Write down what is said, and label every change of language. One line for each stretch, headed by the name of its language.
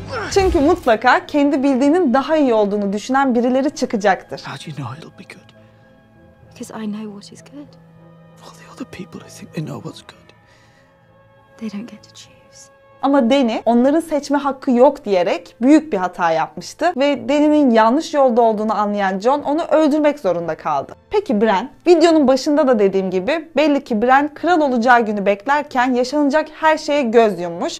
Turkish: Çünkü mutlaka kendi bildiğinin daha iyi olduğunu düşünen birileri çıkacaktır.
English: How do you know it'll be good? Because I know what is good. All the other people who think they know what's good, they don't get to choose.
Turkish: Ama Dany onların seçme hakkı yok diyerek büyük bir hata yapmıştı ve Dany'nin yanlış yolda olduğunu anlayan Jon onu öldürmek zorunda kaldı. Peki Bran? Videonun başında da dediğim gibi belli ki Bran kral olacağı günü beklerken yaşanacak her şeye göz yummuş.